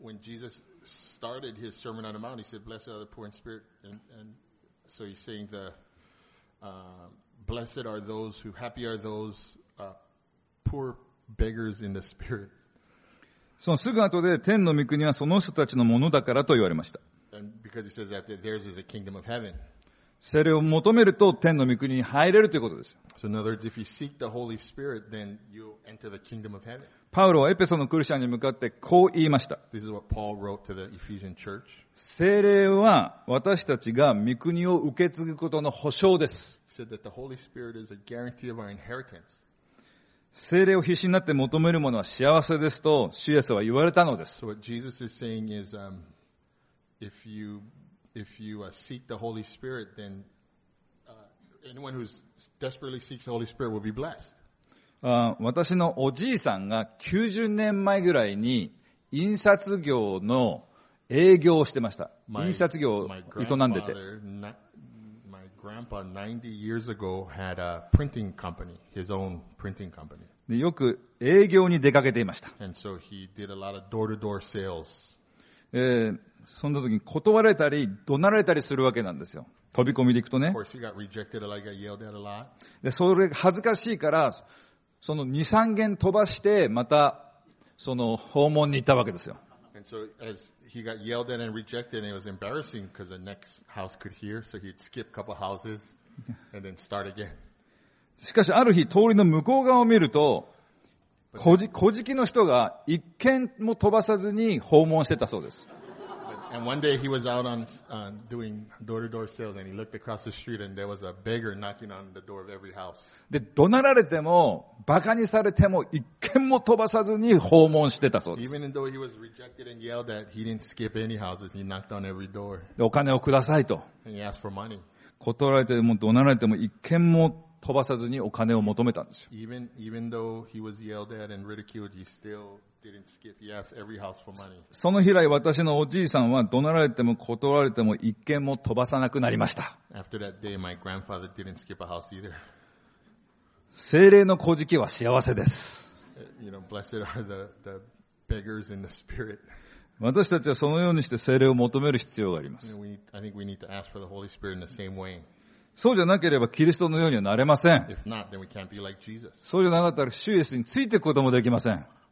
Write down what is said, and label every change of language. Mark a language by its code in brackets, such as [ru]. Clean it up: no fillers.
[en] When Jesus started his Sermon on the Mount, he said, Blessed are the poor in spirit. And so he's saying, Blessed are those who, happy are those poor beggars in the spirit. [ja] そのすぐ後で、天の御国はその人たちのものだからと言われました。 [en] And because he says that theirs is a kingdom of heaven. [ja] 聖霊を求めると天の御国に入れるということです。 [en] So in other words, if you seek the Holy Spirit, then you'll enter the kingdom of heaven. [ja] パウロはエペソのクリスチャンに向かってこう言いました。 [en] This is what Paul wrote to the Ephesian church. [ja] 聖霊は私たちが御国を受け継ぐことの保証です。 [en] He said that the Holy Spirit is a guarantee of our inheritance. [ja] 聖霊を必死になって求める者は幸せですと主イエスは言われたのです。 [en] So what Jesus is saying is, If you seek the Holy Spirit, then anyone who desperately seeks the Holy Spirit will be blessed. [ja] 私のおじいさんが90年前ぐらいに印刷業の営業をしてました。印刷業を営んでて。 [en] My grandpa 90 years ago had a printing company, his own printing company. [ja] で、よく営業に出かけていました。 [en] And so he did a lot of door-to-door sales. [ja] そんな時に断られたり怒鳴られたりするわけなんですよ。飛び込みで行くとね。 [en] Of course, he got rejected. [ja] で、それ恥ずかしいから、その 2,3 件飛ばして、また、その訪問に行ったわけですよ。 [en] And so, as he got yelled at and rejected, and it was embarrassing because the next house could hear, so he'd skip a couple houses and then start again. [ja] しかし、ある日、通りの向こう側を見ると、小敷の人が一件も飛ばさずに訪問してたそうです。 [en] And one day he was out on doing door-to-door sales and he looked across the street and there was a beggar knocking on the door of every house. [ja] で、怒鳴られても、馬鹿にされても、一軒も飛ばさずに訪問してたそうです。 [en] Even though he was rejected and yelled at, he didn't skip any houses, he knocked on every door. [ja] で、お金をくださいと。 [en] And he asked for money. [ja] 断られても怒鳴られても一件も飛ばさずにお金を求めたんですよ。 [en] Even though he was yelled at and ridiculed, he still didn't skip. He asked every house for money. [ja] その日以来、私のおじいさんは怒鳴られても断られても一件も飛ばさなくなりました。 [en] After that day, my grandfather didn't skip a house either. [ja] 聖霊の乞食は幸せです。 [en] You know, blessed are the beggars in the spirit. [ja] 私たちはそのようにして聖霊を求める必要があります。 [en] You know, I think we need to ask for the Holy Spirit in the same way. [ja] そうじゃなければキリストのようにはなれません。 [en] Not, like、 [ja] そうじゃなかったら主イエスについていくこともできません。